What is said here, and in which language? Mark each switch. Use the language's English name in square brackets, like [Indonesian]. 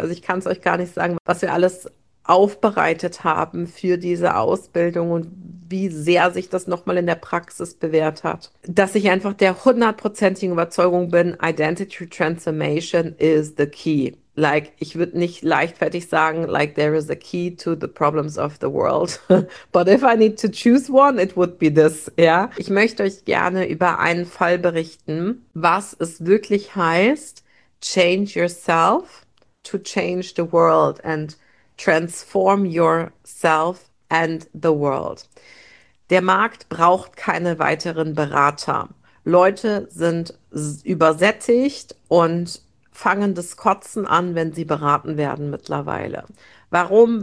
[German] Also ich kann es euch gar nicht sagen, was wir alles aufbereitet haben für diese Ausbildung und wie sehr sich das nochmal in der Praxis bewährt hat. Dass ich einfach der hundertprozentigen Überzeugung bin, [English] Identity Transformation is the key. Like, [German] ich würde nicht leichtfertig sagen, [English] like, there is a key to the problems of the world. But if I need to choose one, it would be this, [German] ja. [English] Yeah? [German] Ich möchte euch gerne über einen Fall berichten, was es wirklich heißt, [English] change yourself to change the world [German] and transform yourself and the world. Der Markt braucht keine weiteren Berater. Leute sind übersättigt und fangen das Kotzen an, wenn sie beraten werden mittlerweile. Warum?